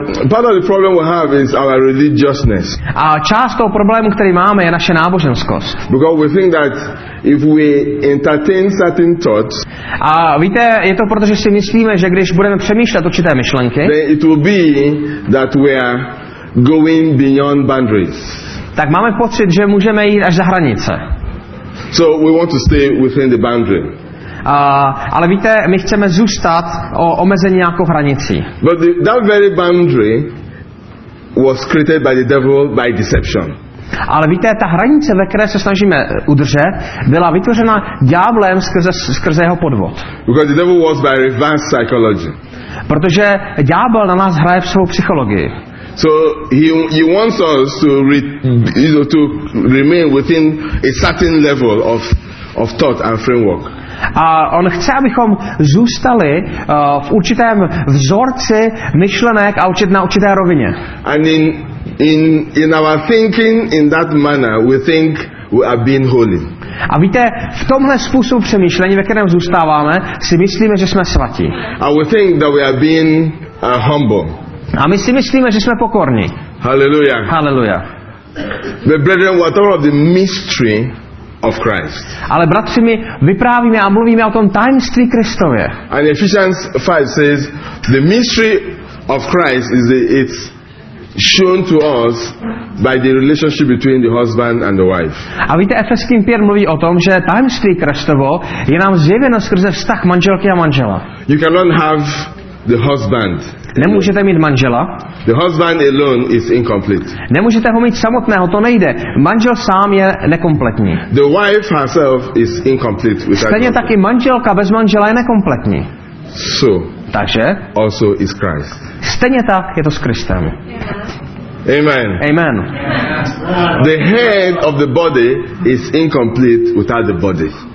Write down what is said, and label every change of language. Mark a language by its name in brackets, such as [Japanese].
[English] Part of the problem we have is our religiousness. [Czech] A část toho problému, který máme, je naše náboženskost. [English] Because we think that if we entertain certain thoughts. [Czech] A víte, je to proto, že si myslíme, že když budeme přemýšlet určité myšlenky. [English] Then it will be that we are going beyond boundaries. [Czech] Tak máme pocit, že můžeme jít až za hranice. [English] So we want to stay within the boundary. [Czech] Ale víte, my chceme zůstat o omezení nějakou hranicí. [English] But that very boundary was created by the devil by deception. [Czech] Ale víte, ta hranice, ve které se snažíme udržet, byla vytvořena ďáblem skrze jeho podvod. [English] Because the devil was by reverse psychology. [Czech] Protože ďábel na nás hraje v svou psychologii. [English] So he wants us to to remain within a certain level of thought and framework. [Czech] A on chce, abychom zůstali v určitém vzorci myšlenek a na určité rovině. [English] And in our thinking in that manner we think we are being holy. [Czech] A víte, v tomhle způsobu přemýšlení, ve kterém zůstáváme, si myslíme, že jsme svatí. [English] And we think that we are being humble. [Czech] A my si myslíme, že jsme pokorní. [English] Hallelujah. [Czech] Hallelujah. [English] The brethren were talking of the mystery of Christ. [Czech] Ale bratři, my vyprávíme a mluvíme o tom tajemství Kristově. [English] And Ephesians 5 says the mystery of Christ is it's shown to us by the relationship between the husband and the wife. [Czech] A víte, Efeským 5 mluví o tom, že tajemství Kristovo je nám zjeveno skrze vztah manželky a manžela. [English] You cannot have the husband. [Czech] Nemůžete mít manžela. [English] The husband alone is incomplete. [Czech] Nemůžete ho mít samotného, to nejde. Manžel sám je nekompletní. [English] The wife herself is incomplete without. [Czech] Stejně tak i manželka bez manžela je nekompletní. [English] So. [Czech] Takže. [English] Also is Christ. [Czech] Stejně tak je to s Kristem. [English] Amen. [Czech] Amen. [English] The head of the body is incomplete without the body.